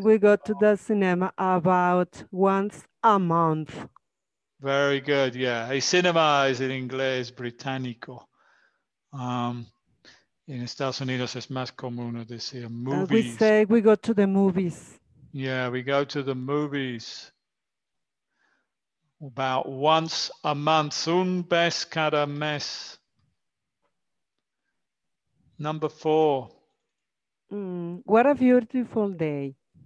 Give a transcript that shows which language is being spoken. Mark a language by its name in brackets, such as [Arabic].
[English] We go to the cinema about once a month. Very good, yeah. A cinema is in [Spanish] inglés, británico. In Estados Unidos es más común decir movies. [English] We say we go to the movies. Yeah, we go to the movies about once a month. [Spanish] Un vez cada mes. [English] Number four. What a beautiful day.